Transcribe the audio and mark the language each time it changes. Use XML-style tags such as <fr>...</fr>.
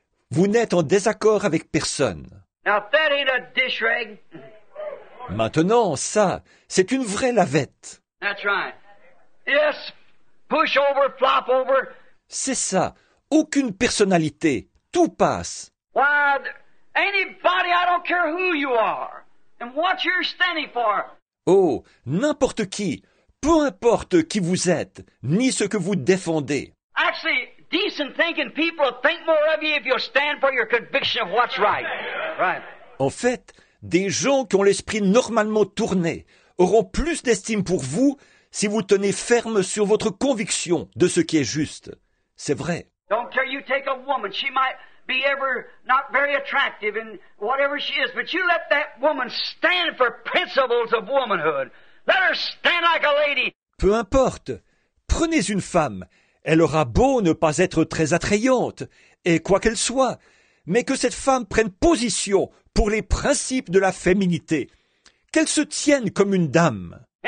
<fr>Vous n'êtes en désaccord avec personne.</fr> <en>Now, that ain't a dish rag.</en> <fr>Maintenant, ça, c'est une vraie lavette.</fr> <en>That's right. Yes, push over, flop over.</en> <fr>C'est ça, aucune personnalité, tout passe.</fr> <en>Why, anybody, I don't care who you are and what you're standing for.</en> <fr>Oh, n'importe qui, peu importe qui vous êtes, ni ce que vous défendez.</fr> <en>Actually, decent thinking people will think more of you if you stand for your conviction of what's right. Right.</en> <fr>En fait, des gens qui ont l'esprit normalement tourné auront plus d'estime pour vous si vous tenez ferme sur votre conviction de ce qui est juste. C'est vrai.</fr> <en>Don't care you take a woman. She might be ever not very attractive in whatever she is, but you let that woman stand for principles of womanhood. Let her stand like a lady.</en> <fr>Peu importe. Prenez une femme. Elle aura beau ne pas être très attrayante, et quoi qu'elle soit, mais que cette femme prenne position pour les principes de la féminité, qu'elle se tienne comme une dame.</fr>